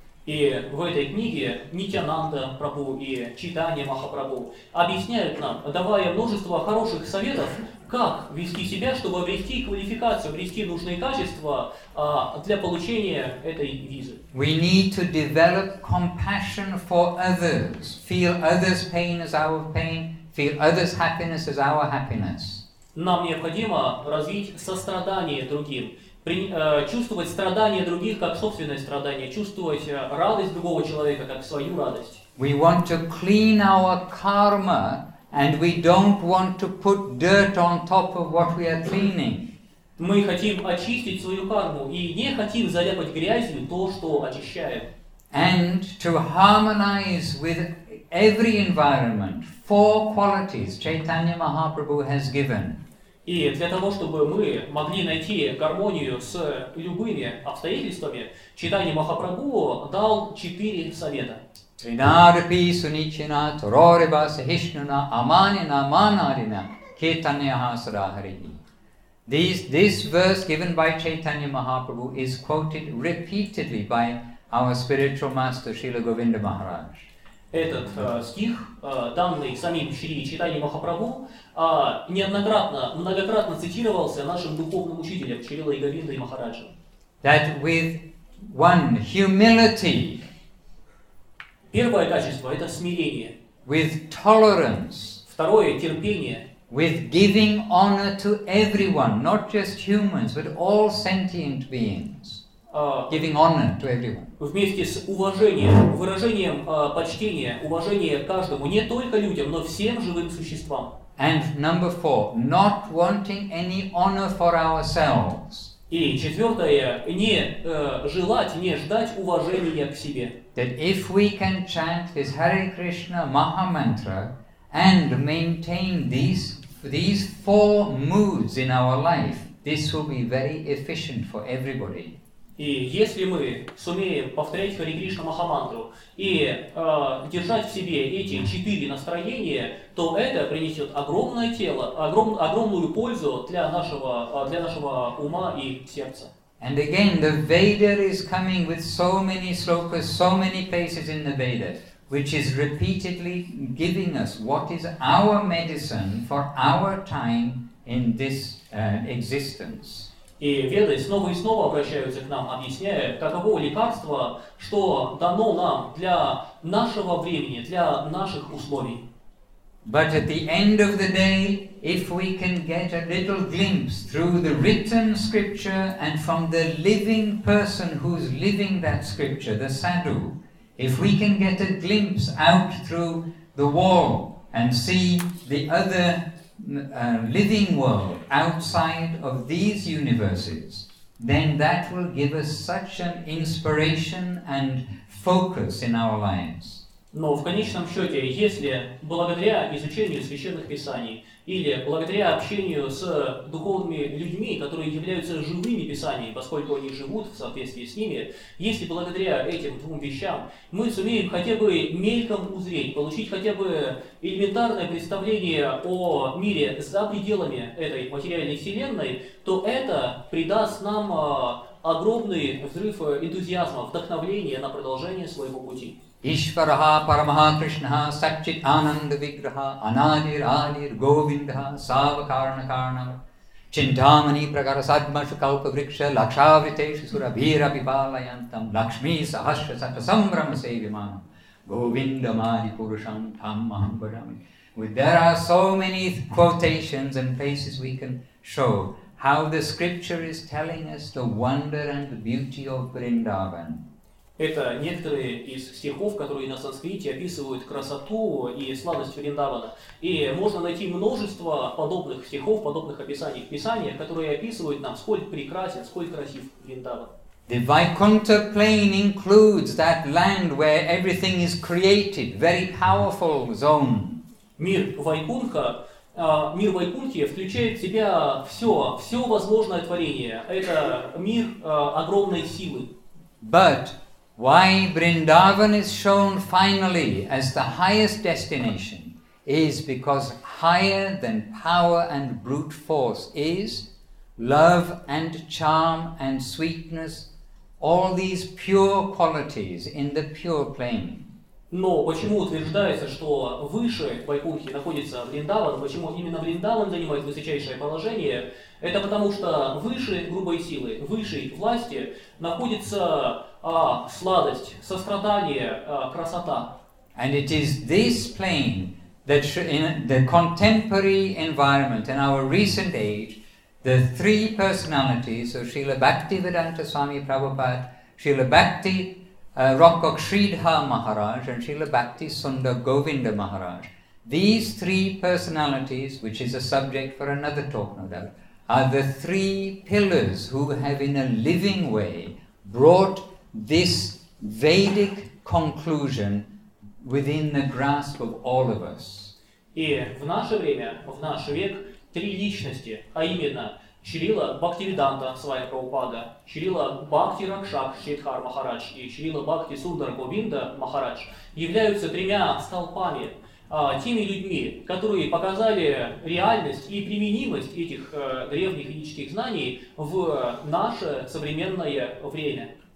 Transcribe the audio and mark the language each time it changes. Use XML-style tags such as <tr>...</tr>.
<ru>И в этой книге Нитьянанда Прабху и Чайтанья Махапрабху объясняют нам, давая множество хороших советов, как вести себя, чтобы обрести квалификацию, обрести нужные качества для получения этой визы.</ru> <en>We need to develop compassion for others, feel others' pain as our pain, feel others' happiness as our happiness.</en> <ru>Нам необходимо развить сострадание другим, чувствовать страдания других как собственное страдание, чувствовать радость другого человека как свою радость.</ru> <en>We want to clean our karma, and we don't want to put dirt on top of what we are cleaning.</en> <ru>Мы хотим очистить свою карму и не хотим заляпать грязью то, что очищаем.</ru> <en>And to harmonize with every environment, four qualities Chaitanya Mahaprabhu has given.</en> <ru>И для того, чтобы мы могли найти гармонию с любыми обстоятельствами, Чайтанья Махапрабху дал четыре совета.</ru> <sa>Тринарпи суничина туророба сахишнуна аманина манарина кетанья хасрахарини.</sa> <en>This verse given by Chaitanya Mahaprabhu is quoted repeatedly by our spiritual master Srila Govinda Maharaj.</en> <ru>Этот стих, данный самим Шри Чайтанья Махапрабху, неоднократно, многократно цитировался нашим духовным учителем Шрилой Говиндой Махараджем.</ru> <en>That with one, humility.</en> <ru>Первое качество – это смирение.</ru> <en>With tolerance.</en> <ru>Второе – терпение.</ru> <en>With giving honor to everyone, not just humans, but all sentient beings. Giving honor to everyone.</en> <ru>Вместе с уважением, выражением почтения, уважение каждому, не только людям, но всем живым существам.</ru> <en>And number four, not wanting any honor for ourselves.</en> <ru>И четвертое, не желать, не ждать уважения к себе.</ru> <en>That if we can chant this Hare Krishna Maha Mantra and maintain these four moods in our life, this will be very efficient for everybody.</en> <ru>И если мы сумеем повторять Хари Кришна Махамантру и держать в себе эти четыре настроения, то это принесет огромное тело, огромную пользу для нашего ума и сердца.</ru> <en>And again, the Veda is coming with so many slokas, so many places in the Veda, which is repeatedly giving us what is our medicine for our time in this existence.</en> <ru>И веды снова и снова обращаются к нам, объясняя, каково лекарство, что дано нам для нашего времени, для наших условий.</ru> <en>But at the end of the day, if we can get a little glimpse through the written scripture and from the living person who's living that scripture, the sadhu, if we can get a glimpse out through the wall and see the other living world outside of these universes, then that will give us such an inspiration and focus in our lives.</en> <ru>Но в конечном счете, если благодаря изучению священных писаний или благодаря общению с духовными людьми, которые являются живыми писаниями, поскольку они живут в соответствии с ними, если благодаря этим двум вещам мы сумеем хотя бы мельком узреть, получить хотя бы элементарное представление о мире за пределами этой материальной вселенной, то это придаст нам огромный взрыв энтузиазма, вдохновения на продолжение своего пути.</ru> <sa>Ишвараха Парамаха Кришнаха Сачит Ананда Виграха Анадир Адир Говиндаха Сава Карна Карна Чиндамани Прагара Садмашу Калпа Врикша Лакшавритеша Сура Вира Пипала Янтам Лакшми Сахаша Сата Самбрама Севимана Говинда Мани Пурушан Там Махам Бадами.</sa> <en>There are so many quotations and places we can show how the scripture is telling us the wonder and the beauty of Vrindavan.</en> <ru>Это некоторые из стихов, которые на санскрите описывают красоту и сладость Вриндавана. И можно найти множество подобных стихов, подобных описаний в Писании, которые описывают нам, сколь прекрасен, сколь красив Вриндаван.</ru> <en>The Vaikuntha plain includes that land where everything is created, very powerful zone.</en> <ru>Мир Вайкунха мир Вайкунти включает в себя все, все возможное творение. Это мир огромной силы.</ru> <en>But why Vrindavan is shown finally as the highest destination is because higher than power and brute force is love and charm and sweetness, all these pure qualities in the pure plane.</en> <ru>Но почему утверждается, что выше Вайкунтхи находится Вриндаван, почему именно Вриндаван занимает высочайшее положение, это потому что выше грубой силы, выше власти находится сладость, сострадание, красота.</ru> <en>And it is this plane that in the contemporary environment, in our recent age, the three personalities of Srila Bhaktivedanta Swami Prabhupada, Srila Bhakti Rokok Sridhar Maharaj and Srila Bhakti Sundar Govinda Maharaj, these three personalities, which is a subject for another talk no doubt, are the three pillars who have in a living way brought this Vedic conclusion within the grasp of all of us.</en> <ru>И в наше время, в наш век, три личности, а именно Шрила Бхактивиданта Свая Прабхупада, Шрила Бхакти Ракшак Шридхар Махарадж и Шрила Бхакти Сундар Говинда Махарадж являются тремя столпами, теми людьми, которые показали реальность и применимость этих древних ведических знаний в наше современное время.</ru>